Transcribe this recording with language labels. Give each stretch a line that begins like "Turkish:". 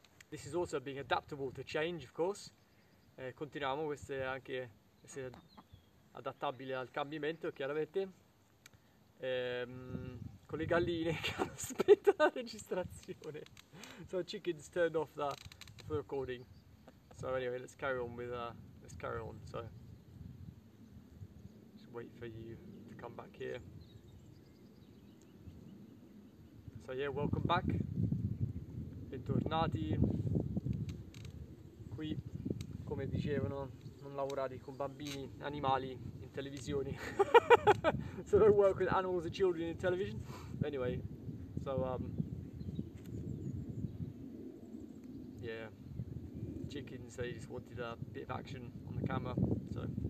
English: This is also being adaptable to change, of course.
Italian: Continuiamo, questo è anche essere adattabile al cambiamento, chiaramente. Con le galline che aspettano la registrazione.
English: So chickens turned off that for recording. So anyway, let's carry on with let's carry on. So just wait for you to come back here. So yeah, welcome back.
Italian: Bentornati. Qui, come dicevano, non lavorare con bambini, animali in televisione.
English: So don't work with animals and children in television. Anyway, so yeah, chickens, so they just wanted a bit of action on the camera, so.